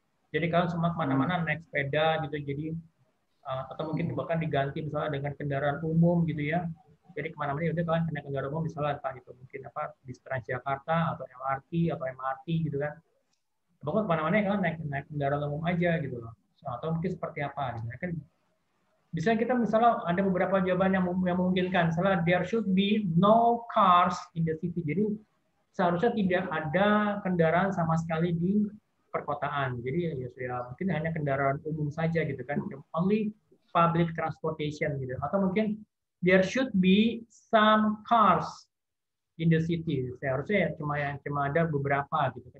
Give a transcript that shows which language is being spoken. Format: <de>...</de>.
<id>Jadi kalian semua kemana-mana naik sepeda gitu. Jadi atau mungkin bahkan diganti misalnya dengan kendaraan umum gitu ya. Jadi kemana-mana ya udah kalian kena kendaraan umum misalnya entah itu mungkin apa bis Transjakarta atau LRT atau MRT gitu kan. Pokoknya kemana-mana ya kalian naik kendaraan umum aja gitu loh. So, atau mungkin seperti apa gitu. Kan Bisa kita misalnya ada beberapa jawaban yang memungkinkan.</id> <en>Misalnya there should be no cars in the city.</en> <id>Jadi seharusnya tidak ada kendaraan sama sekali di perkotaan. Jadi ya sudah, mungkin hanya kendaraan umum saja gitu kan.</id> <en>Only public transportation gitu.</en> <id>Atau mungkin</id> <en>there should be some cars in the city.</en> <id>Seharusnya ya, cuma ada beberapa gitu kan.</id>